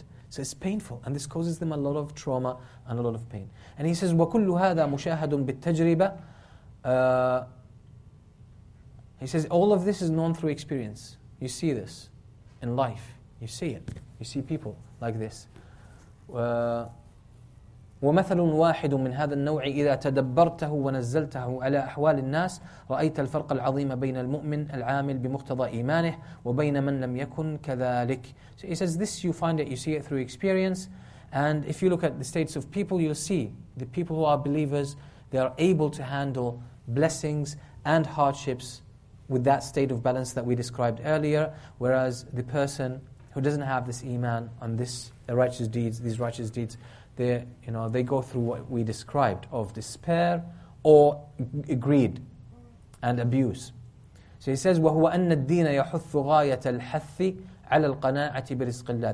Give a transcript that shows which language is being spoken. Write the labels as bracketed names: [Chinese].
[English] So it's painful, and this causes them a lot of trauma and a lot of pain. And he says, [Arabic] وَكُلُّ هَذَا مُشَاهَدٌ بِالتَّجْرِبَةِ. [English] He says, all of this is known through experience. You see this in life. You see it. You see people like this. [Arabic] وَمَثَلٌ وَاحِدٌ مِّنْ هَذَا النَّوْعِ إِذَا تَدَبَّرْتَهُ وَنَزَّلْتَهُ عَلَى أَحْوَالِ النَّاسِ رَأَيْتَ الْفَرْقَ الْعَظِيمَ بَيْنَ الْمُؤْمِنِ الْعَامِلِ بِمُقْتَضَى إِيمَانِهِ وَبَيْنَ مَنْ لَمْ يَكُنْ كَذَلِكَ. [English] So he says, this you find it, you see it through experience. And if you look at the states of people, you'll see the people who are believers, they are able to handle blessings and hardships with that state of balance that we described earlier. Whereas the person who doesn't have this iman on these righteous deeds, they go through what we described of despair or greed and abuse. So he says, [Arabic] وَهُوَ أَنَّ الدِّينَ يَحُثُّ غَايَةَ الْحَثِّ عَلَى الْقَنَاعَةِ بِرِزْقِ اللَّهِ.